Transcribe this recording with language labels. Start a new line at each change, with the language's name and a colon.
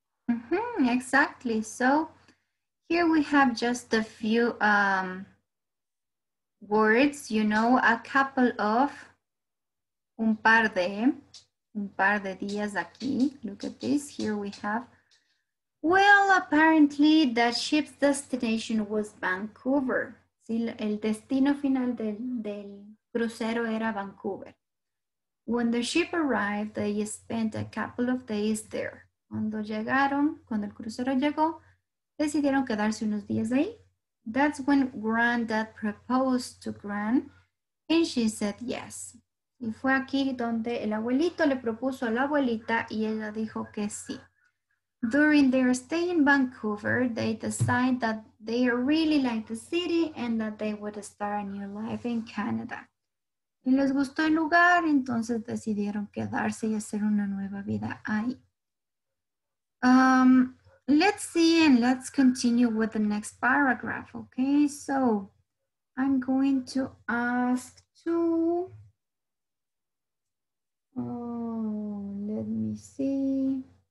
English: Mm-hmm, exactly. So here we have just a few words, you know, a couple of
Spanish: un par de días aquí.
English: Look at this. Here we have. Well, apparently, the ship's destination was Vancouver.
Spanish: Sí, el destino final del crucero era Vancouver.
English: When the ship arrived, they spent a couple of days there.
Spanish: Cuando llegaron, cuando el crucero llegó, decidieron quedarse unos días ahí.
English: That's when Granddad proposed to Gran, and she said yes.
Spanish: Y fue aquí donde el abuelito le propuso a la abuelita, y ella dijo que sí.
English: During their stay in Vancouver, they decided that they really liked the city and that they would start a new life in Canada.
Spanish: Y les gustó el lugar, entonces decidieron quedarse y hacer una nueva vida ahí.
English: Let's see and let's continue with the next paragraph, okay? So, I'm going to ask to... let me see...